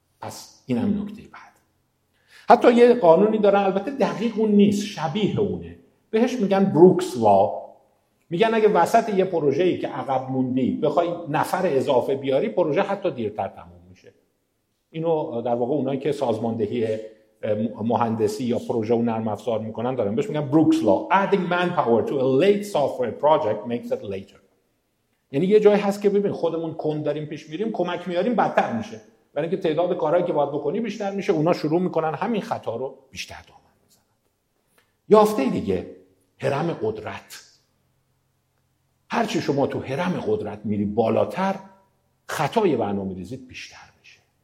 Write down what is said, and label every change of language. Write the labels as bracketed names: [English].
[Persian] پس اینم نکته بعد. حتی یه قانونی دارن، البته دقیق اون نیست، شبیه اونه، بهش میگن بروکس لا. میگن اگه وسط یه پروژه‌ای که عقب موندی بخوای نفر اضافه بیاری، پروژه حتی دیرتر تموم میشه. اینو در واقع اونایی که سازماندهی مهندسی یا پروژه و نرم افزار میکنن دارن، بهش میگن بروکس لا. [English] Adding manpower to a late software project makes it later. [Persian] یعنی یه جایی هست که ببین خودمون کند داریم پیش میریم، کمک میاریم بدتر میشه، برای اینکه تعداد کارهایی که باید بکنی بیشتر میشه، اونا شروع میکنن همین خطا رو بیشتر دامن میزنن. یافته دیگه، هرم قدرت. هرچی شما تو هرم قدرت میری بالاتر، خطای برنامه ریزیت بیشتر میشه.